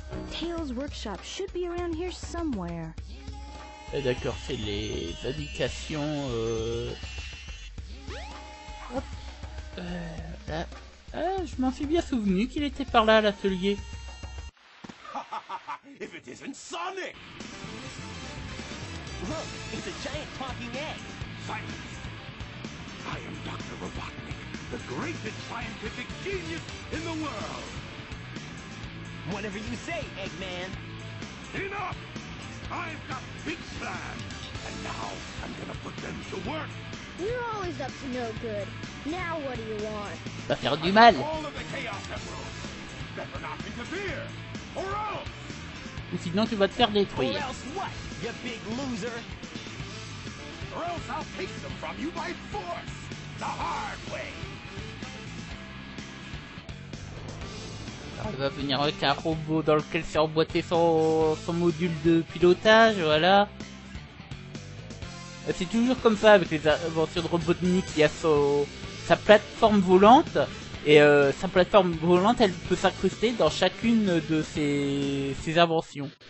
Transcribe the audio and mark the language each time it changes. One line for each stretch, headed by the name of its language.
English: Tails Workshop should be around here somewhere.
French: Et d'accord, c'est les indications. Hop. Là. Ah, je m'en suis bien souvenu qu'il était par là à l'atelier.
English: If it isn't Sonic! Look, it's a giant talking egg! Silence! I am Dr. Robotnik, the greatest scientific genius in the world! Whatever you say, Eggman! Enough! I've got big plans! And now, I'm gonna put them to work! You're always up to no good. Now what do you want?
French: Va faire du mal!
English: All of the Chaos Emeralds! Better not interfere! Or else!
French: Ou sinon tu vas te faire détruire.
English: Or else what, you big loser? Or else I'll take them from you by force, the hard way.
French: Il va venir avec un robot dans lequel s'est emboîté son module de pilotage, voilà. C'est toujours comme ça avec les inventions de Robotnik, il y a sa plateforme volante. Et sa plateforme volante, elle peut s'incruster dans chacune de ses inventions.